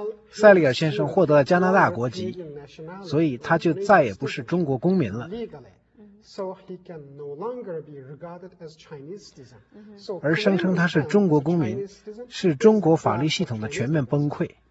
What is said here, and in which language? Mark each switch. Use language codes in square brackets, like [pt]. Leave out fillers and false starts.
[zh] 塞利尔先生获得了加拿大国籍，所以他就再也不是中国公民了。 [en] So he can no longer be regarded as Chinese citizen. [zh] 而声称他是中国公民，是中国法律系统的全面崩溃。